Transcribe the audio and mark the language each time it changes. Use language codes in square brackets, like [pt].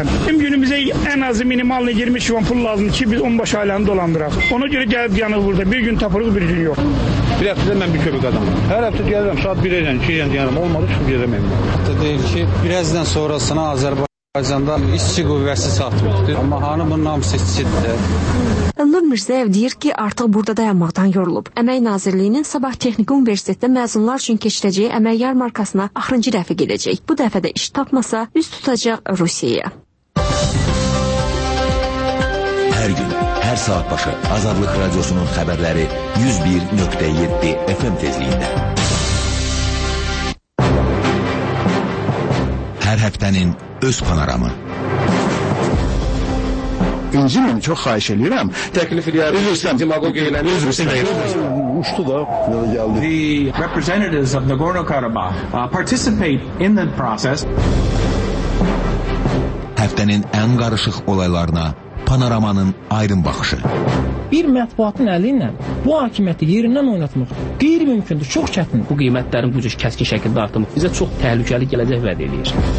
[az] Bizim günümüzə ən azı minimal 20 şirvan pul lazımdır ki biz 15 ailəni dolandıraq. Ona görə gəlib yanıq burada bir gün tapırıq bir gün yox. Bir həftədə mən bir köpük adamım. Hər həftə gəlirəm saat 1-ə ilə 2-ə ilə deyirəm olmadı çıxıb gedirəm evimə. Hətta deyir ki birazdan sonrasına Azərbaycanda işçi qüvvəsi çatmışdır. Amma hanı bunun hamısı işçidir. Elnur Mirzəyev deyir ki, artıq burada dayanmaqdan yorulub. Əmək Nazirliyinin Sabah Texniki Universitetdə məzunlar üçün keçirəcəyi əmək yarmarkasına axırıncı dəfə gedəcək. Bu dəfə də iş tapmasa, üz tutacaq Rusiyaya. Hər gün, hər saat başı Azadlıq Radiosunun xəbərləri 101.7 FM tezliyində. Hər həftənin öz panoramı. incinmeyin, çok xahiş edirəm. Təklif edirəm. Üzr istəyirəm. Üzr istəyirəm. Uçdu da, gəldi. [en] The representatives of Nagorno-Karabakh participate in the process. [az] Həftənin ən qarışıq olaylarına panoramanın ayrım baxışı. Bir mətbuatın əli ilə bu hakimiyyəti yerindən oynatmaq qeyri-mümkündür, çox çətindir. Bu qiymətlərin bu cür kəskin şəkildə artımı bizə çox təhlükəli gələcək vəd edir.